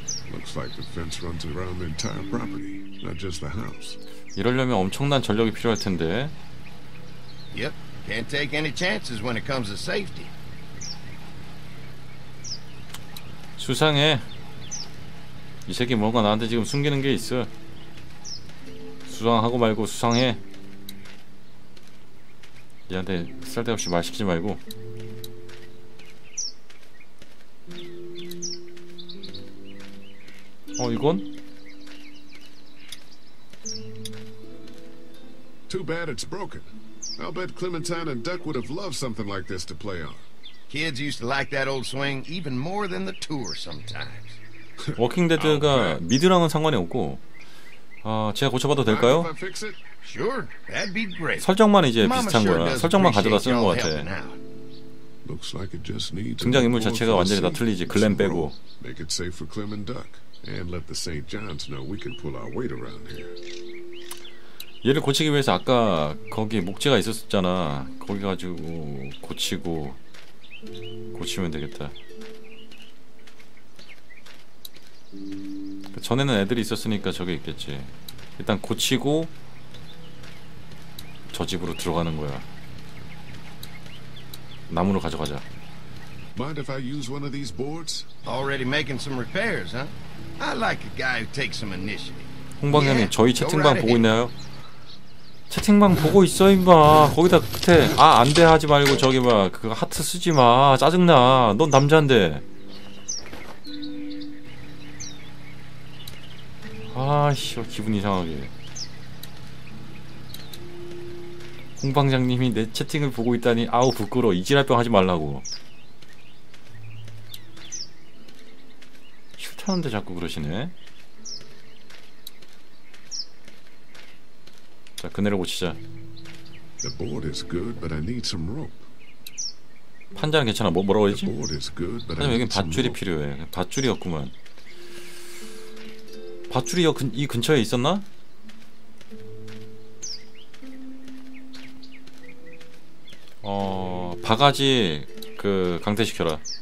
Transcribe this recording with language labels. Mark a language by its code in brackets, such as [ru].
[en] Looks like the fence runs around the entire property, not just the house. [ko] 이러려면 엄청난 전력이 필요할 텐데. [en] Yep, can't take any chances when it comes to safety. [ko] 수상해. 이 새끼 뭔가 나한테 지금 숨기는 게 있어. 수상하고 말고 수상해. 얘한테 쓸데없이 말 시키지 말고. 어, 이건? [en] Too bad it's broken. I'll bet Clementine and Duck would have loved something like this to play on. Kids used to like that old swing even more than the tour sometimes. [ko] 워킹 데드가 미드랑은 상관이 없고. 아, 제가 고쳐 봐도 될까요? [en] Sure. That'd be great. [ko] 설정만 이제 비슷한 거라. 설정만 가져다 쓰는 거 같아. [en] Looks like it just needs [ko] 등장 인물 자체가 완전히 다 틀리지. 글렌 빼고. [en] Make it safe for Clem and Duck. And let the St. John's know we can pull our weight around here. [ko] 얘를 고치기 위해서 아까 거기 목재가 있었잖아. 거기 가지고 고치고 고치면 되겠다. 전에는 애들이 있었으니까 저게 있겠지. 일단 고치고 저 집으로 들어가는 거야. 나무를 가져가자. [en] Mind if I use one of these boards? Already making some repairs, huh? I like a guy who takes some initiative. [ko] 홍방장님, 저희 채팅방 보고 있나요? 채팅방 보고 있어 임마. 거기다 끝에 아 안돼 하지 말고 저기 막 그 하트 쓰지 마. 짜증나. 넌 남자인데. 아씨, 기분 이상하게. 홍방장님이 내 채팅을 보고 있다니 아우 부끄러워. 이지랄병 하지 말라고. 하는데 자꾸 그러시네. 자, 그네를 고치자. [en] The board is good, but I need some rope. [ko] 판자는 괜찮아. 뭐라고 해야지? 판자는 여긴 밧줄이 필요해. 밧줄이었구만. 밧줄이 이 근처에 있었나? 어, 바가지 그 강퇴시켜라.